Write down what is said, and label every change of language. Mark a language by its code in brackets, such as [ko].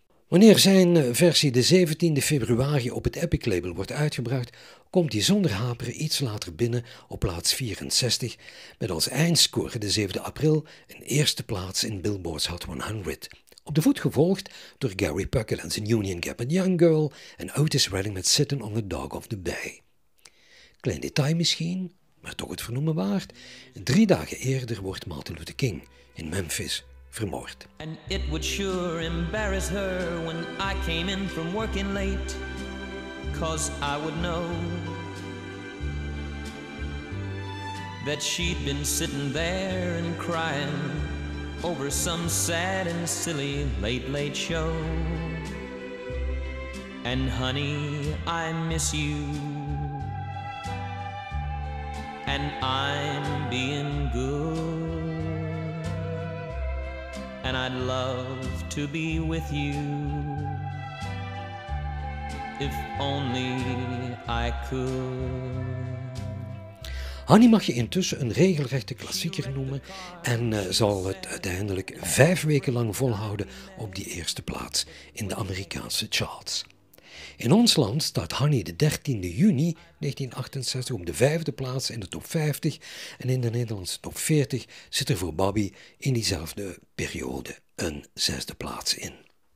[nl] Wanneer zijn versie de 17e februari op het Epic label wordt uitgebracht, komt die zonder haperen iets later binnen op plaats 64, met als eindscore de 7e april een eerste plaats in Billboard's Hot 100. Op de voet gevolgd door Gary Puckett en zijn Union Gap en Young Girl en Otis Redding met Sittin' on the Dog of the Bay. Klein detail misschien, maar toch het vernoemen waard. 3 dagen eerder wordt Martin Luther King in Memphis vermoord. [en] And it would sure embarrass her when I came in from working late, 'cause I would know that she'd been sitting there and crying over some sad and silly late, late show. And honey, I miss you, and I'm being good, and I'd love to be with you if only I could. [nl] Honey mag je intussen een regelrechte klassieker noemen en zal het uiteindelijk 5 weken lang volhouden op die eerste plaats in de Amerikaanse charts. In ons land staat Honey de 13e juni 1968 op de 5e plaats in de top 50 en in de Nederlandse top 40 zit er voor Bobby in diezelfde periode een 6e plaats in.